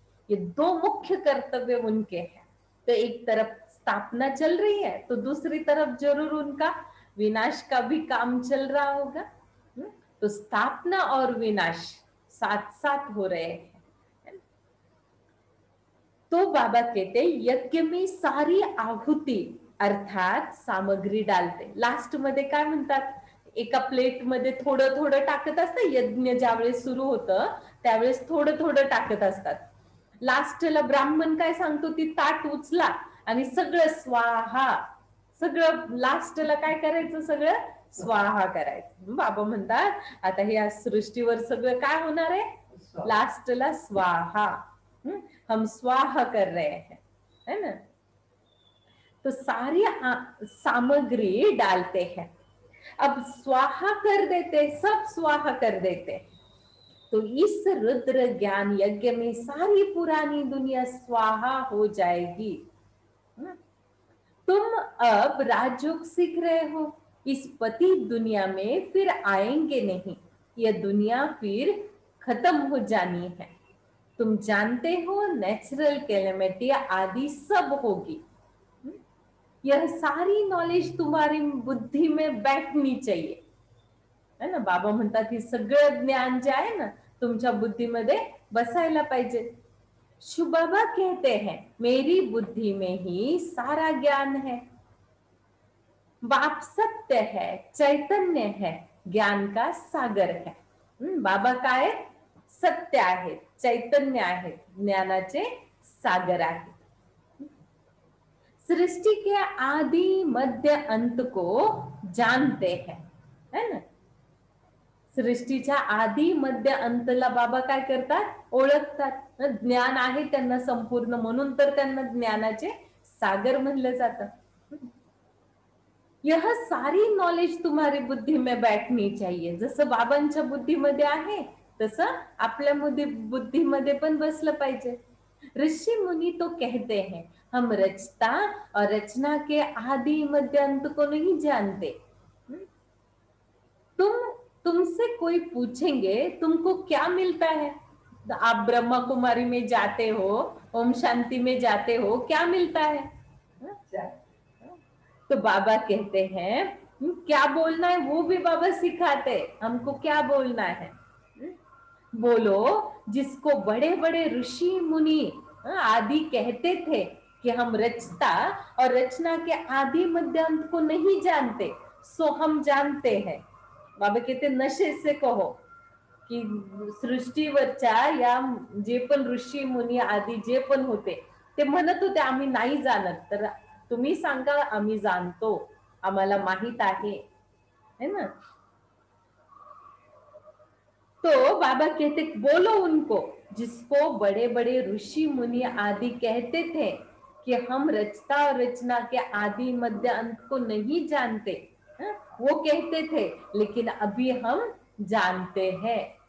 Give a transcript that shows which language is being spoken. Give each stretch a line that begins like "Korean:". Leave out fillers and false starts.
Hindi: ये दो मुख्य कर्तव्य उनके हैं। तो एक तरफ स्थापना चल रही है तो दूसरी तरफ जरूर उनका विनाश का भी काम चल रहा होगा। तो स्थापना और विनाश साथ साथ हो रहे हैं। तो बाबा कहते हैं यज्ञ में सारी आहुति अर्थात सामग्री डालते,
Marathi: लास्ट मध्ये काय म्हणतात, एका प्लेट मध्ये थोडं थोडं टाकत असतं, यज्ञ ज्यावेळेस सुरू होतं त्यावेळेस थोडं थोडं टाकत असतात, लास्टला ब्राह्मण काय सांगतो ती ताट उचला आणि सगळं स्वाहा, सगळं लास्टला काय करायचं, सगळं स्वाहा करायचं। बाबा म्हणतात आता ह्या सृष्टीवर सगळं काय होणार आहे, लास्टला स्वाहा,
Hindi: हम स्वाहा कर रहे हैं, है ना। तो सारी सामग्री डालते हैं, अब स्वाहा कर देते, सब स्वाहा कर देते। तो इस रुद्र ज्ञान यज्ञ में सारी पुरानी दुनिया स्वाहा हो जाएगी। तुम अब राजयोग सीख रहे हो, इस पति दुनिया में फिर आएंगे नहीं, यह दुनिया फिर खत्म हो जानी है। तुम जानते हो नेचुरल कैलेमिटी आदि सब होगी, यह सारी नॉलेज तुम्हारी बुद्धि में बैठनी चाहिए, है ना।
Marathi: बाबा म्हणता की सगळं ज्ञान जाय ना तुमच्या बुद्धीमध्ये बसायला पाहिजे।
Hindi: शुभ बाबा कहते हैं मेरी बुद्धि में ही सारा ज्ञान है, बाप सत्य है, चैतन्य है, ज्ञान का सागर है।
Marathi: बाबा काय सत्य आहे, चैतन्य आहे, ज्ञानाचे सागर आहे।
Hindi: सृष्टि के आदि मध्य अंत को जानते हैं, है ना।
Marathi: सृष्टि चा आदि मध्य अंत ला बाबा काय करतात, ओळखतात, ज्ञान आहे त्यांना संपूर्ण, म्हणून तर त्यांना ज्ञानाचे सागर म्हटलं जातं।
Hindi: यह सारी नॉलेज तुम्हारी बुद्धि में बैठनी चाहिए,
Marathi: जसं बाबांच्या बुद्धि मध्ये आहे तसं आपल्या बुद्धि मध्ये पण बसलं पाहिजे।
Hindi: ऋषि मुनि तो कहते हैं हम रचता और रचना के आदि मध्य अंत को नहीं जानते। तुमसे कोई पूछेंगे तुमको क्या मिलता है, तो आप ब्रह्मा कुमारी में जाते हो, ओम शांति में जाते हो, क्या मिलता है। तो बाबा कहते हैं क्या बोलना है वो भी बाबा सिखाते, हमको क्या बोलना है बोलो। जिसको बड़े बड़े ऋषि मुनि आदि कहते थे कि हम रचता और रचना के आदि मध्य अंत को नहीं जानते, सो हम जानते हैं। बाबा कहते नशे से कहो कि
Marathi: सृष्टि वरचा या जे पण ऋषि मुनि आदि जे पण होते ते म्हणत होते आम्ही नाही जाणत, तर तुम्ही सांगा आम्ही जाणतो, आम्हाला माहित आहे,
Hindi: है ना। तो बाबा कहते बोलो उनको, जिसको बड़े बड़े ऋषि मुनि आदि कहते थे कि हम रचता और रचना के आदि मध्य अंत को नहीं जानते, वो कहते थे लेकिन अभी हम जानते हैं।